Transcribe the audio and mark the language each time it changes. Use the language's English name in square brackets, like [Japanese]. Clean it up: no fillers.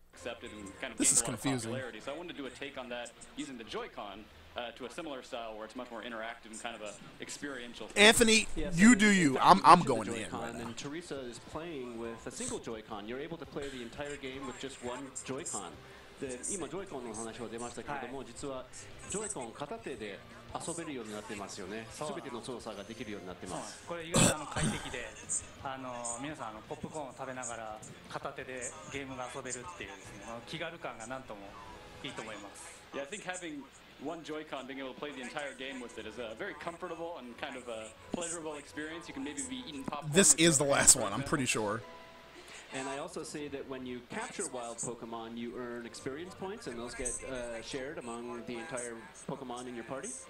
[English] accepted and kind of gained a lot of popularity. So I wanted to do a take on that using the Joy-Con to a similar style where it's much more interactive and kind of a experiential thing. Anthony, yes, you do you. I'm going to Joy-Con, and Teresa is playing with a single Joy-Con. You're able to play the entire game with just one Joy-Con. [Japanese] で、今 Joy-Con の話は出ましたけれども、実はJoy-Con 片手で遊べるようになってますよね。全ての操作ができるようになってます。これ意外と快適で、皆さんポップコーンを食べながら片手でゲームが遊べるっていう気軽感がなんともいいと思います。 [English] Yeah, I think having one Joy-Con, being able to play the entire game with it is a very comfortable and kind of a pleasurable experience. You can maybe be eating popcorn. This is the last one, I'm pretty sure. And I also say that when you capture wild Pokemon, you earn experience points, and those get shared among the entire Pokemon in your party.